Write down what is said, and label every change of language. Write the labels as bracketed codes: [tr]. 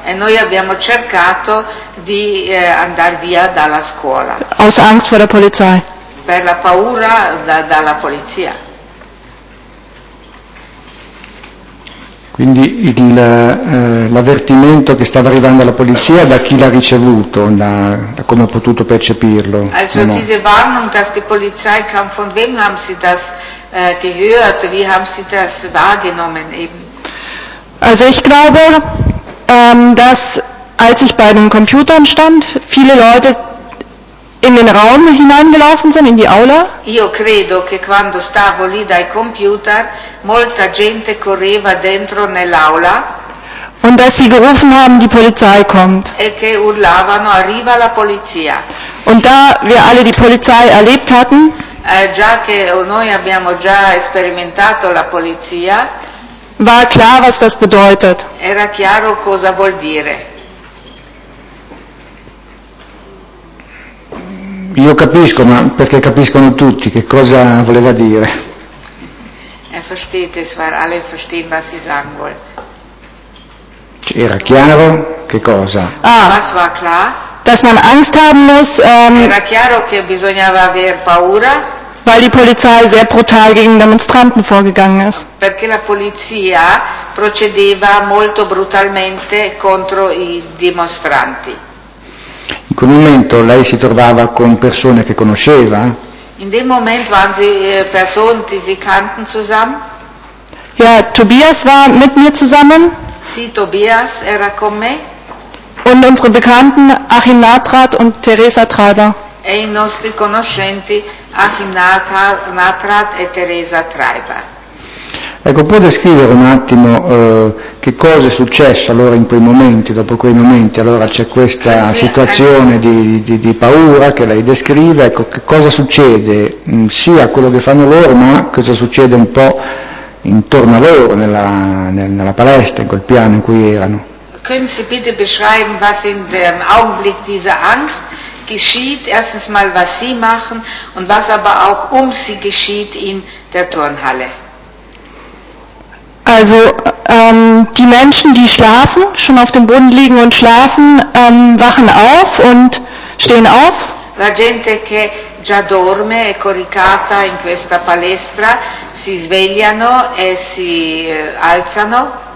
[it] E noi abbiamo cercato di andar via dalla scuola. [de] Aus Angst vor der Polizei. [it] Per la paura dalla polizia. Quindi l'avvertimento che stava arrivando alla polizia, da chi l'ha ricevuto, da come ha potuto percepirlo? [de] Also no? Diese Warnung, dass die Polizei kam, von wem haben Sie das gehört, wie haben Sie das wahrgenommen eben? Also ich glaube, dass als ich bei den Computern stand, viele Leute in den Raum hineingelaufen sind, in die Aula. [it] Io credo che quando stavo lì dai computer, molta gente correva dentro nell'aula. [de] Und dass sie gerufen haben, die Polizei kommt. [it] E che urlavano, arriva la polizia. [de] Und da wir alle die Polizei erlebt hatten, [it] già che noi abbiamo già sperimentato la polizia, [de] war klar, was das bedeutet. [it] Era chiaro cosa vuol dire. Io capisco, ma perché capiscono tutti che cosa voleva dire? [de] Versteht es, weil alle verstehen, was sie sagen wollen. [it] Era chiaro che cosa? [de] Was war klar? Dass man Angst haben muss. [it] Era chiaro che bisognava aver paura. [de] Weil die Polizei sehr brutal gegen Demonstranten vorgegangen ist. [it] Perché la polizia procedeva molto brutalmente contro i dimostranti. In quel momento lei si trovava con persone che conosceva? [de] In dem Moment waren sie Personen, die sie kannten, zusammen? Ja, Tobias war mit mir zusammen. [it] Sì, Tobias era con me. [de] Und unsere Bekannten Achim Natrat und Teresa Treiber. [it] E i nostri conoscenti Achim Natrat e Teresa Treiber. Ecco, può descrivere un attimo che cosa è successo allora in quei momenti, dopo quei momenti? Allora c'è questa situazione di paura che lei descrive, ecco, che cosa succede sia a quello che fanno loro, ma cosa succede un po' intorno a loro, nella palestra, in quel piano in cui erano? [de] Können Sie bitte beschreiben, was in dem Augenblick dieser Angst geschieht, erstens mal, was Sie machen und was aber auch um Sie geschieht in der Turnhalle? Also die Menschen, die schlafen, schon auf dem Boden liegen und schlafen, wachen auf und stehen auf. [it] La gente che già dorme è coricata in questa palestra, si svegliano e si alzano.